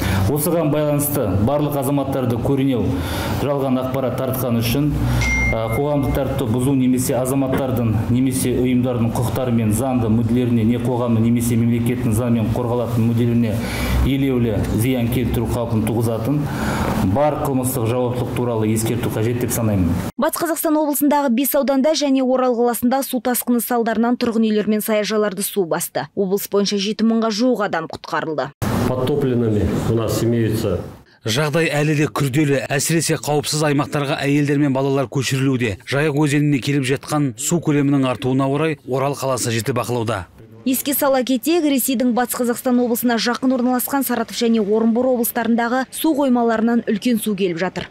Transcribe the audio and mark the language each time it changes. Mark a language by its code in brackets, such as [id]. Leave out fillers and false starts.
[kk] Осыған байланысты барлық азаматтарды көрінеу жалған ақпарат таратқаны үшін қоғамдық тәртіпті бұзу немесе азаматтардың немесе ұйымдардың құқықтары мен заңды мүдделеріне не қоғамның немесе мемлекеттің заңымен қорғалатын мүдделеріне елеулі зиян келтіру қаупін туғызатын бар қылмыстық жауаптылық туралы ескерту қажет деп санаймын. Батыс Қазақстан облысындағы 5 ауданда және Орал қаласында су тасқыны салдарынан тұрғын үйлер мен саяжайларды су басты. Облыс бойынша 7000-ға жуық адам құтқарылды. [ru] Подтопленными у нас имеются. [kk] Жағдай әлі де күрделі, әсіресе қауіпсіз аймақтарға әйелдер мен балалар көшірілуде. Жайық өзеніне келіп жатқан су көлемінің артуына орай Орал қаласы жіті бақылауда. Еске сала кетейік, Ресейдің Батыс Қазақстан облысына жақын орналасқан Саратов және Орынбор облыстарындағы су қоймаларынан үлкен су келіп жатыр.